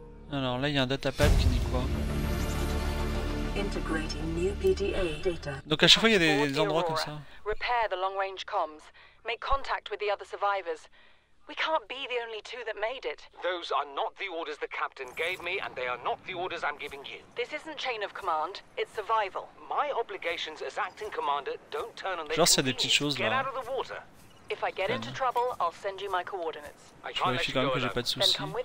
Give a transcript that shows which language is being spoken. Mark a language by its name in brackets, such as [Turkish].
[French] Là, il y a un datapad qui dit quoi? Donc à chaque fois, il y a des endroits comme ça. [English] Repair the long range comms. Make contact with the other survivors. We can't be the only two that made it. Those are not the orders the captain gave me and they are not the orders I'm giving you. This isn't chain of command, it's survival. My obligations as acting commander don't turn on their convenience. Get out of the water. If I get into trouble, I'll send you my coordinates. [French] Je vérifie quand même que j'ai pas de soucis.